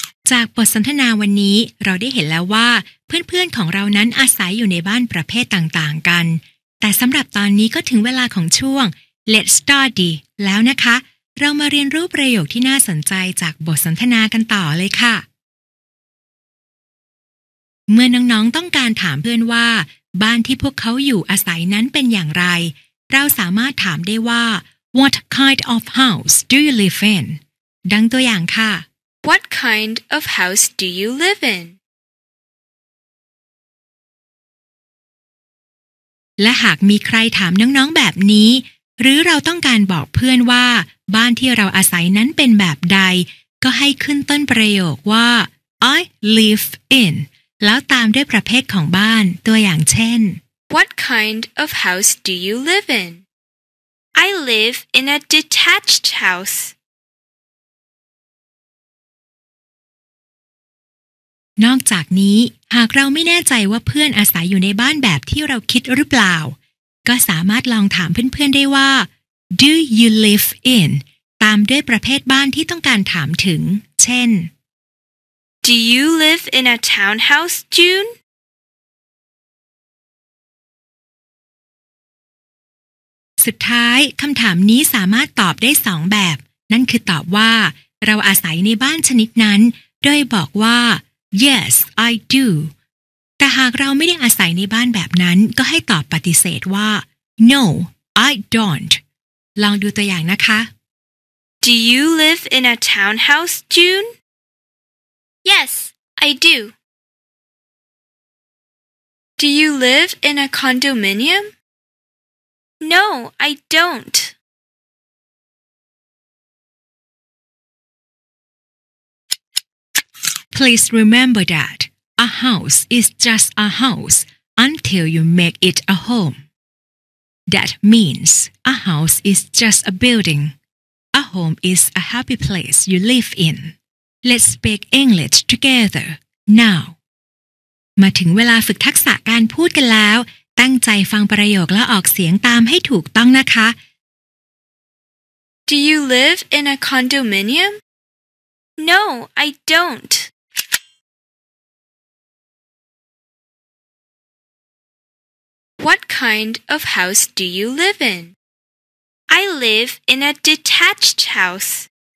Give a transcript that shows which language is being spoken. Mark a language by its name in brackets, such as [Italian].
[Thai] จากบทสนทนาวันนี้เราได้เห็นแล้วว่าเพื่อนๆของเรานั้นอาศัยอยู่ในบ้านประเภทต่างๆกันแต่สำหรับตอนนี้ก็ถึงเวลาของช่วง [English] Let's Study [Thai] แล้วนะคะเรามาเรียนรู้ประโยคที่น่าสนใจจากบทสนทนากันต่อเลยค่ะเมื่อน้องๆต้องการถามเพื่อนว่าบ้านที่พวกเขาอยู่อาศัยนั้นเป็นอย่างไรเราสามารถถามได้ว่า [English] What kind of house do you live in [Thai] ดังตัวอย่างค่ะ [English] What kind of house do you live in? [Thai] และหากมีใครถามน้องๆแบบนี้หรือเราต้องการบอกเพื่อนว่าบ้านที่เราอาศัยนั้นเป็นแบบใดก็ให้ขึ้นต้นประโยคว่า [English] I live in [Thai] แล้วตามด้วยประเภทของบ้านตัวอย่างเช่น [English] What kind of house do you live in? I live in a detached house. [Thai] นอกจากนี้หากเราไม่แน่ใจว่าเพื่อนอาศัยอยู่ในบ้านแบบที่เราคิดหรือเปล่าก็สามารถลองถามเพื่อนๆได้ว่า [English] Do you live in [Thai] ตามด้วยประเภทบ้านที่ต้องการถามถึงเช่น [English] Do you live in a townhouse, June? [Thai] สุดท้ายคำถามนี้สามารถตอบได้สองแบบนั่นคือตอบว่าเราอาศัยในบ้านชนิดนั้นโดยบอกว่า [English] Yes, I do. [Thai] แต่หากเราไม่ได้อาศัยในบ้านแบบนั้นก็ให้ตอบปฏิเสธว่า [English] No, I don't. [Thai] ลองดูตัวอย่างนะคะ [English] Do you live in a townhouse, June? Yes, I do. Do you live in a condominium? No, I don't. Please remember that a house is just a house until you make it a home. That means a house is just a building. A home is a happy place you live in. Let's speak English together now. [Thai] มาถึงเวลาฝึกทักษะการพูดกันแล้วตั้งใจฟังประโยคและออกเสียงตามให้ถูกต้องนะคะ [English] Do you live in a condominium? No, I don't. What kind of house do you live in? I live in a detached house.